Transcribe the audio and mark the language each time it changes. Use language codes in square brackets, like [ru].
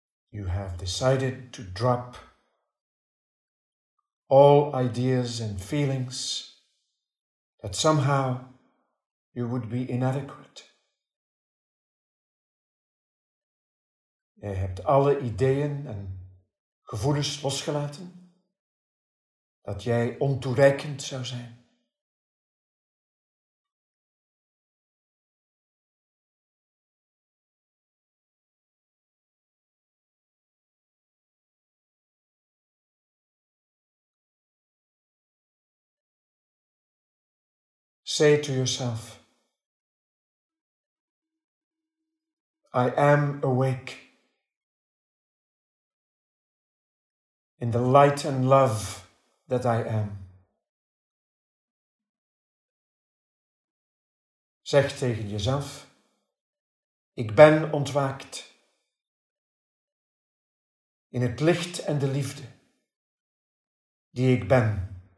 [en] You have decided to drop all ideas and feelings that somehow you would be inadequate. [nl] Jij hebt alle ideeën en gevoelens losgelaten dat jij ontoereikend zou zijn. [en] Say to yourself, I am awake in the light and love that I am. [nl] Zeg tegen jezelf, ik ben ontwaakt in het licht en de liefde die ik ben.